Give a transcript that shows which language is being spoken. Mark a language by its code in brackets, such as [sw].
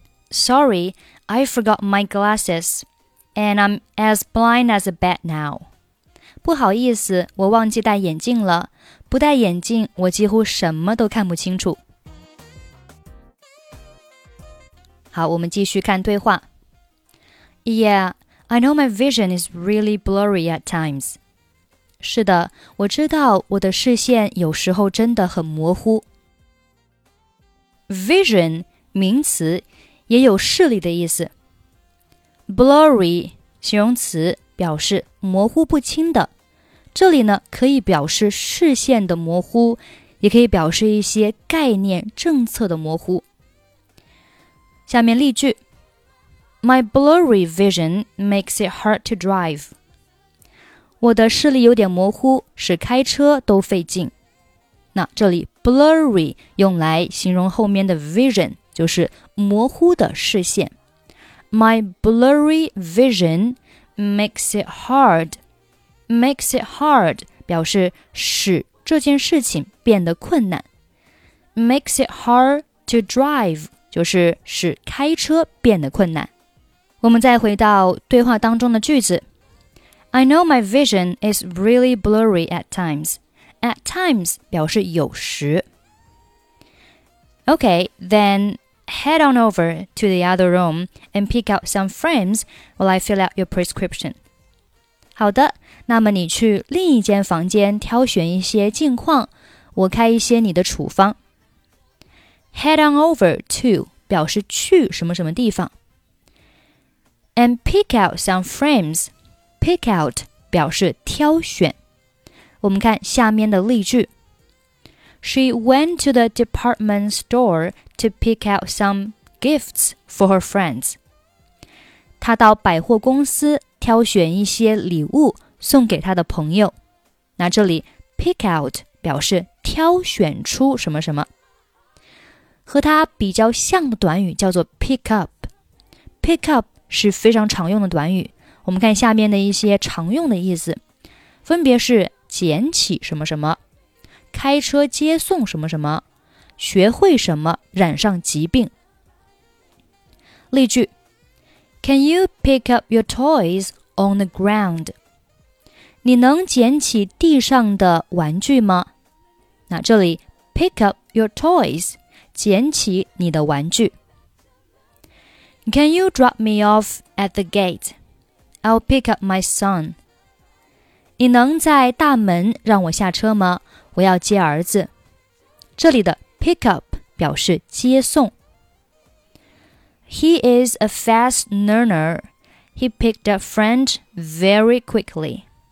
[en] Sorry, I forgot my glasses, and I'm as blind as a bat now. [zh] 不好意思，我忘记戴眼镜了。不戴眼镜，我几乎什么都看不清楚。好，我们继续看对话。 [en] Yeah, I know my vision is really blurry at times. [zh] 是的，我知道我的视线有时候真的很模糊。 Vision, 名词也有视力的意思。 Blurry, 形容词表示模糊不清的。这里呢可以表示视线的模糊，也可以表示一些概念政策的模糊。下面例句。 [en] My blurry vision makes it hard to drive. [zh] 我的视力有点模糊，使开车都费劲。那这里 blurry 用来形容后面的 vision。就是模糊的视线。 [en] My blurry vision makes it hard. Makes it hard [zh] 表示使这件事情变得困难。 [en] Makes it hard to drive [zh] 就是使开车变得困难。我们再回到对话当中的句子。 [en] I know my vision is really blurry at times. At times [zh] 表示有时。 [en] Okay, then... Head on over to the other room and pick out some frames while I fill out your prescription. [zh] 好的，那么你去另一间房间挑选一些镜框，我开一些你的处方。 [en] Head on over to [zh] 表示去什么什么地方。 [en] And pick out some frames. Pick out [zh] 表示挑选。我们看下面的例句。 [en] She went to the department store to pick out some gifts for her friends. [zh] 她到百货公司挑选一些礼物送给她的朋友。那这里 pick out 表示挑选出什么什么。和它比较像的短语叫做 pick up. Pick up 是非常常用的短语。我们看下面的一些常用的意思，分别是捡起什么什么。开车接送什么什么，学会什么染上疾病。例句 [en] Can you pick up your toys on the ground? [zh] 你能捡起地上的玩具吗？那这里 [en] pick up your toys, [zh] 捡起你的玩具。 [en] Can you drop me off at the gate? I'll pick up my son. [zh] 你能在大门让我下车吗？我要接儿子。这里的 pick up 表示接送。 [en] He is a fast learner. He picked up French very quickly.